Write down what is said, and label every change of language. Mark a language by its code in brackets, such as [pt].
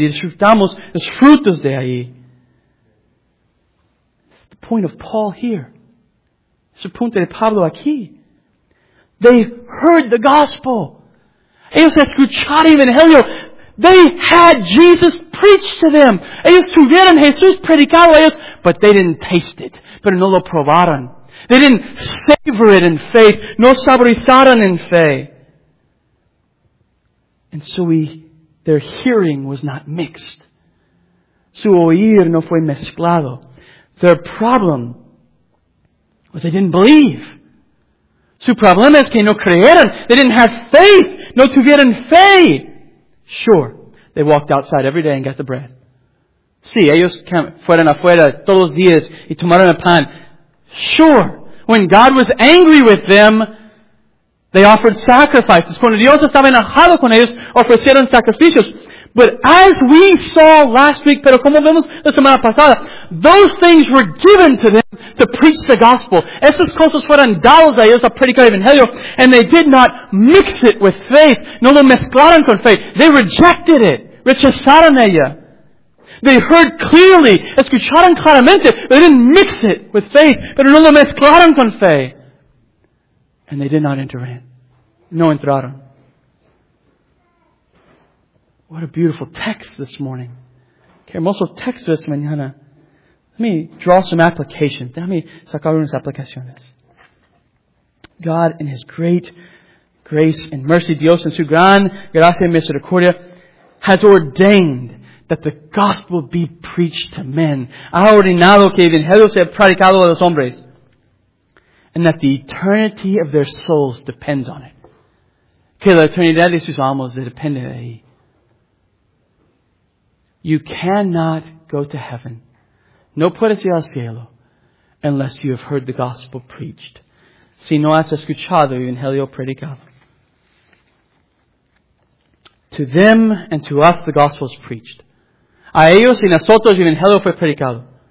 [es] Y disfrutamos los frutos de ahí. [en] It's the point of Paul here. [es] Es el punto de Pablo aquí. [en] They heard the gospel. [es] Ellos escucharon el evangelio. [en] They had Jesus preached to them. [es] Ellos tuvieron Jesús predicado a ellos, [en] but they didn't taste it. [es] Pero no lo probaron. [en] They didn't savor it in faith. [es] No saborizaron en fe. [en] And so their hearing was not mixed. [es] Su oír no fue mezclado. [en] Their problem was they didn't believe. [es] Su problema es que no creyeron. [en] They didn't have faith. [es] No tuvieron fe. [en] Sure, they walked outside every day and got the bread. [es] Sí, ellos fueron afuera todos los días y tomaron el pan. [en] Sure, when God was angry with them, they offered sacrifices. [es] Cuando Dios estaba enojado con ellos, ofrecieron sacrificios. [en] But as we saw last week, [es] pero como vemos la semana pasada, [en] those things were given to them to preach the gospel. [es] Esas cosas fueron dadas a ellos a predicar el evangelio, [en] and they did not mix it with faith. [es] No lo mezclaron con faith. [en] They rejected it. [es] Rechazaron ella. [en] They heard clearly. [es] Escucharon claramente. [en] They didn't mix it with faith. [es] Pero no lo mezclaron con fe. [en] And they did not enter in. [es] No entraron. [en] What a beautiful text this morning. [es] Qué hermoso texto esta mañana. [en] Let me draw some applications. [es] Déjame sacar unas aplicaciones. [en] God, in His great grace and mercy, [es] Dios en su gran gracia y misericordia, [en] has ordained that the gospel be preached to men. [es] Ha ordenado que el evangelio sea predicado a los hombres. [en] And that the eternity of their souls depends on it. [es] Que la eternidad de sus almas depende de ahí. [en] You cannot go to heaven, [es] no puedes ir al cielo, [en] unless you have heard the gospel preached. [es] Si no has escuchado el evangelio predicado. [en] To them and to us the gospel is preached. [es] A ellos y nosotros el evangelio fue predicado.